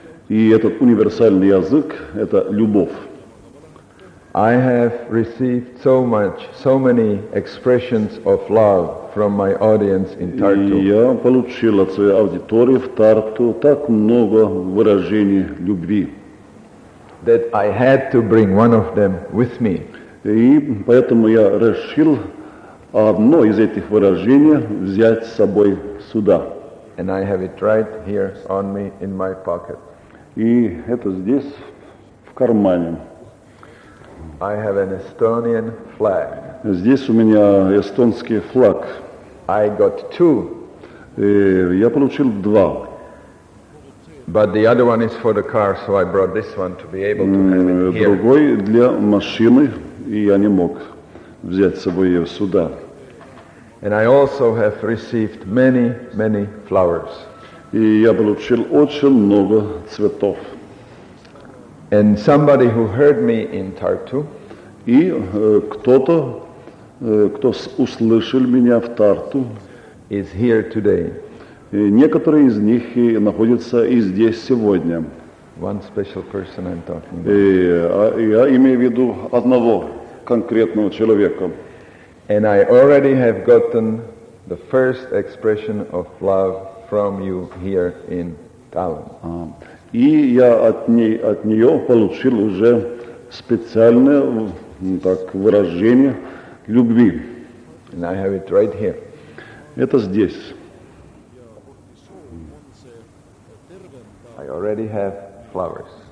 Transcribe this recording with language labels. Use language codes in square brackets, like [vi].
[ru] И этот универсальный язык — это любовь. [en] I have received so many expressions of love from my audience in Tartu. [ru] Я получил от своей аудитории в Тарту так много выражений любви. [en] That I had to bring one of them with me. [ru] И поэтому я решил одно из этих выражений взять с собой сюда. [en] And I have it right here on me in my pocket. [ru] И это здесь в кармане. [en] I have an Estonian flag. [ru] Здесь у меня эстонский флаг. [en] I got two. [ru] Я получил два. [en] But the other one is for the car, so I brought this one to be able to have it here. [ru] Другой для машины, и я не мог взять с собой ее сюда. [en] And I also have received many, many flowers. [ru] И я получил очень много цветов. [en] And somebody who heard me in Tartu, [ru] и кто-то, кто услышал меня в Тарту, [en] is here today. [ru] Некоторые из них и находятся и здесь сегодня. [en] One special person I'm talking about. [ru] Я имею в виду одного конкретного человека. [en] And I already have gotten the first expression of love from you here in Tallinn. [ru] И я от нее получил уже специальное так, выражение любви. [en] And I have it right here. [ru] Это здесь. [en] I already have flowers.